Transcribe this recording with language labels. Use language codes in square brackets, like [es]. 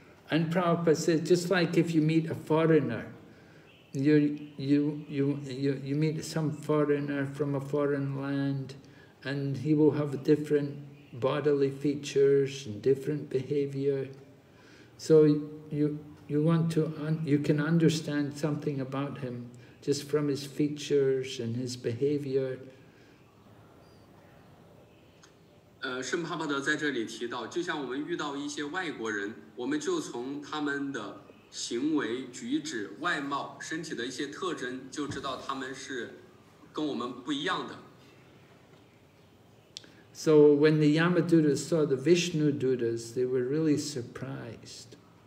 [en] And Prabhupada says, just like if you meet a foreigner, You meet some foreigner from a foreign land, and he will have different bodily features and different behavior. So you can understand something about him just from his features and his behavior. [zh] 圣帕帕德在这里提到，就像我们遇到一些外国人，我们就从他们的 行为、举止、外貌、身体的一些特征，就知道他们是跟我们不一样的。 [en] So when the Yamadutas saw the Vishnu Dutas, they were really surprised.